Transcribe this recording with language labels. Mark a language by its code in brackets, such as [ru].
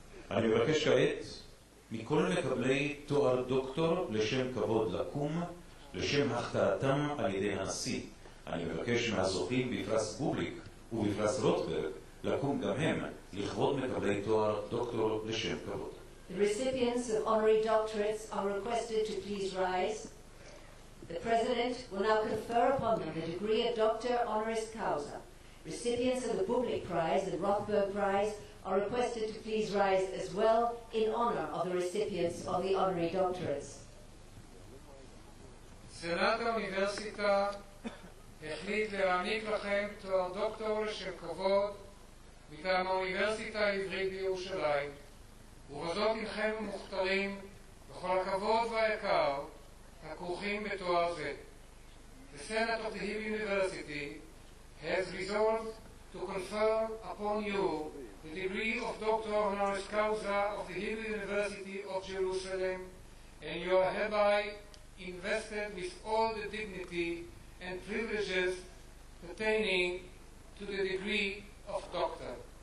[he] אני מבקש כעת מכל מקבלי תואר דוקטור לשם כבוד לקום, לשם החתעתם על ידי הנשיא. אני מבקש מהזוכים בפרס בובליק ובפרס רוטברג לקום גם הם לכבוד מקבלי תואר דוקטור לשם כבוד. [en] The recipients of honorary doctorates are requested to please rise. The President will now confer upon them the degree of Doctor Honoris Causa. Recipients of the Bublik Prize and Rothberg Prize are requested to please rise as well in honor of the recipients of the honorary doctorates. [he] Senat Universita החליט להעניק לכם תואר דוקטור לשם כבוד מטעם האוניברסיטה העברית בירושלים. ובזאת הנכם ומוכתרים בכל הכבוד והיקר הכרוכים בתואר זה. [en] The Senate of the Hebrew University has resolved to confer upon you the degree of Doctor Honoris Causa of the Hebrew University of Jerusalem, and you are hereby invested with all the dignity and privileges pertaining to the degree of Doctor.